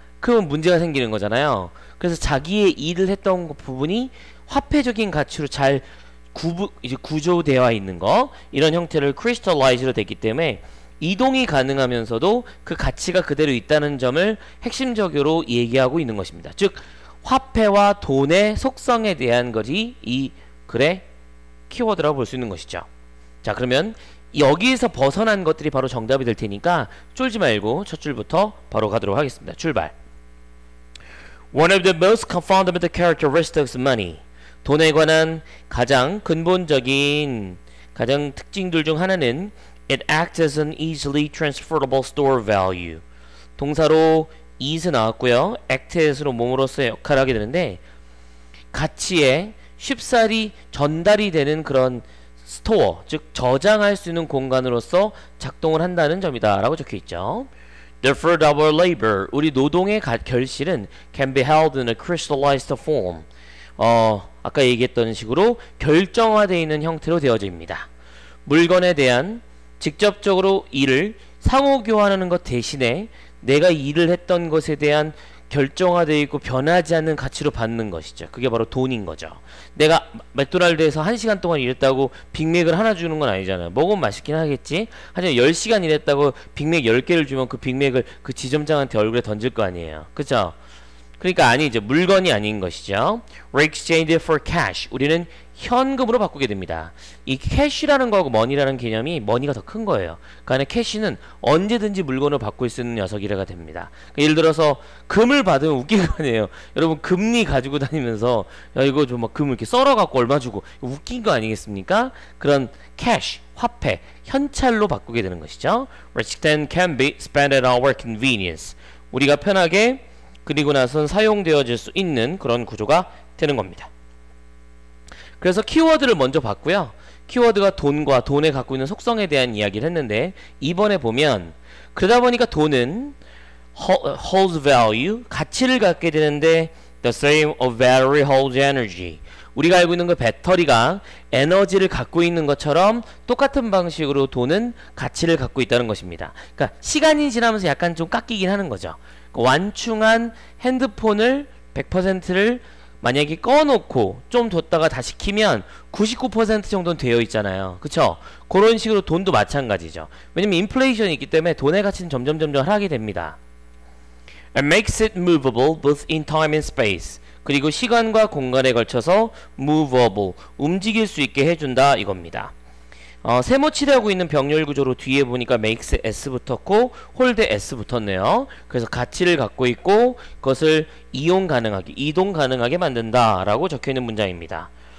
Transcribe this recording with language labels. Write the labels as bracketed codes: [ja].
[ko] 그러면 문제가 생기는 거잖아요. 그래서 자기의 일을 했던 부분이 화폐적인 가치로 잘 구조되어 있는 거, 이런 형태를 크리스탈라이즈로 됐기 때문에 이동이 가능하면서도 그 가치가 그대로 있다는 점을 핵심적으로 얘기하고 있는 것입니다. 즉 화폐와 돈의 속성에 대한 것이 이 글의 키워드라고 볼 수 있는 것이죠. 자, 그러면 여기에서 벗어난 것들이 바로 정답이 될 테니까 쫄지 말고 첫 줄부터 바로 가도록 하겠습니다. 출발. [en] One of the most fundamental characteristics of money. [ko] 돈에 관한 가장 근본적인 가장 특징들 중 하나는 [en] It acts as an easily transferable store value. [ko] 동사로 is 나왔고요. act as로 몸으로서의 역할을 하게 되는데 가치에 쉽사리 전달이 되는 그런 스토어, 즉 저장할 수 있는 공간으로서 작동을 한다는 점이다 라고 적혀 있죠. [en] Therefore, our labor, [ko] 우리 노동의 결실은 [en] can be held in a crystallized form. [ko] 아까 얘기했던 식으로 결정화되어 있는 형태로 되어집니다. 물건에 대한 직접적으로 일을 상호 교환하는 것 대신에 내가 일을 했던 것에 대한 결정화되어 있고 변하지 않는 가치로 받는 것이죠. 그게 바로 돈인 거죠. 내가 맥도날드에서 1시간 동안 일했다고 빅맥을 하나 주는 건 아니잖아요. 먹으면 맛있긴 하겠지. 하지만 10시간 일했다고 빅맥 10개를 주면 그 빅맥을 그 지점장한테 얼굴에 던질 거 아니에요. 그쵸? 그러니까 아니죠. 물건이 아닌 것이죠. [en] We exchange it for cash. [ko] 우리는 현금으로 바꾸게 됩니다. 이 캐시라는 거하고 머니라는 개념이 머니가 더 큰 거예요. 그러니까 캐시는 언제든지 물건을 바꿀 수 있는 녀석이라가 됩니다. 그러니까 예를 들어서 금을 받으면 웃길 거 아니에요. 여러분 금리 가지고 다니면서 야 이거 좀 막 금을 이렇게 썰어갖고 얼마 주고 웃긴 거 아니겠습니까? 그런 캐시, 화폐, 현찰로 바꾸게 되는 것이죠. [en] Which then can be spent at our convenience. [ko] 우리가 편하게 그리고 나선 사용되어질 수 있는 그런 구조가 되는 겁니다. 그래서 키워드를 먼저 봤고요. 키워드가 돈과 돈에 갖고 있는 속성에 대한 이야기를 했는데 이번에 보면 그러다 보니까 돈은 [en] holds value, [ko] 가치를 갖게 되는데 [en] the same of battery holds energy. [ko] 우리가 알고 있는 그 배터리가 에너지를 갖고 있는 것처럼 똑같은 방식으로 돈은 가치를 갖고 있다는 것입니다. 그러니까 시간이 지나면서 약간 좀 깎이긴 하는 거죠. 완충한 핸드폰을 100%를 만약에 꺼놓고 좀 뒀다가 다시 키면 99% 정도는 되어 있잖아요. 그쵸? 그런 식으로 돈도 마찬가지죠. 왜냐면 인플레이션이 있기 때문에 돈의 가치는 점점 하락이 됩니다. [en] It makes it movable both in time and space. [ko] 그리고 시간과 공간에 걸쳐서 movable, 움직일 수 있게 해준다 이겁니다. 세모치대하고 있는 병렬 구조로 뒤에 보니까 makes s 붙었고 hold s 붙었네요. 그래서 가치를 갖고 있고 그것을 이용 가능하게, 이동 가능하게 만든다 라고 적혀있는 문장입니다.